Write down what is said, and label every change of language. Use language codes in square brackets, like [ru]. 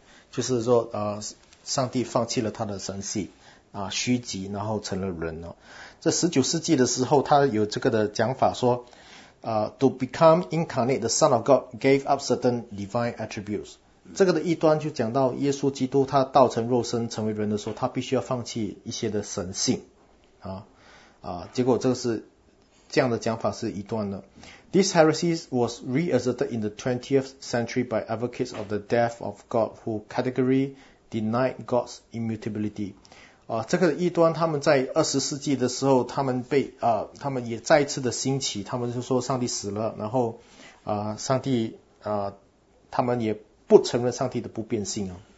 [zh] 就是说上帝放弃了他的神性虚极然后成了人这19世纪的时候他有这个的讲法说 [en] to become incarnate, the Son of God gave up certain divine attributes.、 [zh] 嗯、这个的异端就讲到耶稣基督他道成肉身成为人的时候，他必须要放弃一些的神性。结果这个是这样的讲法是异端的。 [en] This heresy was reasserted in the 20th century by advocates of the death of God who categorically denied God's immutability. [zh] 这个异端他们在20世纪的时候他们也再次的兴起，他们就说上帝死了，然后他们也不承认上帝的不变性。